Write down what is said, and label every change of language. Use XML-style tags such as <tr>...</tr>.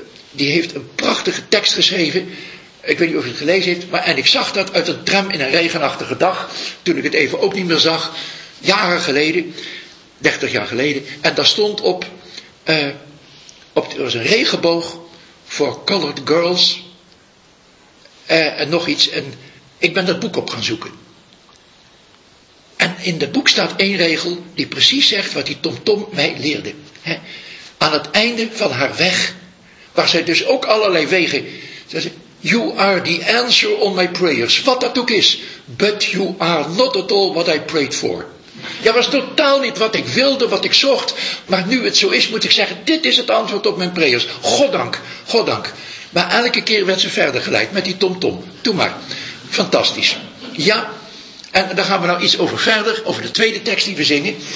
<nl>Die heeft een prachtige tekst geschreven. Ik weet niet of je het gelezen heeft, maar en ik zag dat uit een tram in een regenachtige dag, toen ik het even ook niet meer zag, jaren geleden, 30 jaar geleden, en daar stond op, er was een regenboog voor colored girls, en nog iets, en ik ben dat boek op gaan zoeken. En in dat boek staat één regel die precies zegt wat die tomtom mij leerde. Hè. Aan het einde van haar weg, waar zij dus ook allerlei wegen, zei ze,</nl> <en>you are the answer on my prayers.</en> <nl>Wat dat ook is.</nl> <en>But you are not at all what I prayed for.</en> <nl>Ja, was totaal niet wat ik wilde, wat ik zocht. Maar nu het zo is, moet ik zeggen, dit is het antwoord op mijn prayers. Goddank, goddank. Maar elke keer werd ze verder geleid met die tomtom. Doe maar. Fantastisch. Ja, en dan gaan we nou iets over verder. Over de tweede tekst die we zingen.</nl>